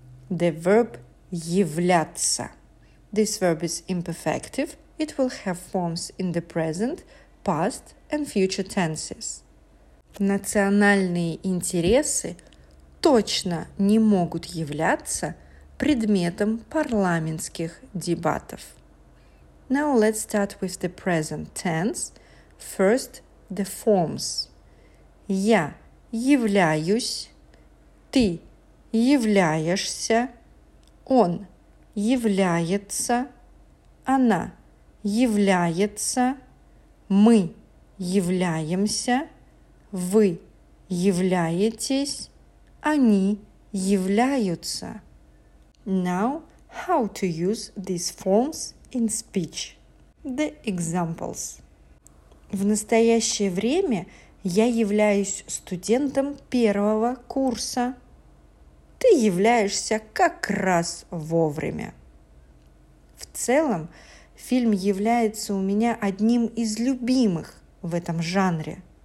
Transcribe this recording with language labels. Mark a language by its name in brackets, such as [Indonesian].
[English] The verb являться. This verb is imperfective. It will have forms in the present, past and future tenses. [Russian] Национальные интересы точно не могут являться предметом парламентских дебатов. [English] Now let's start with the present tense. First, the forms. [Russian] Я являюсь, ты являешься, он является, она является, мы являемся, вы являетесь, они являются. [English] Now, how to use these forms in speech? The examples. [Russian] В настоящее время я являюсь студентом первого курса. Ты являешься как раз вовремя. В целом, фильм является у меня одним из любимых в этом жанре.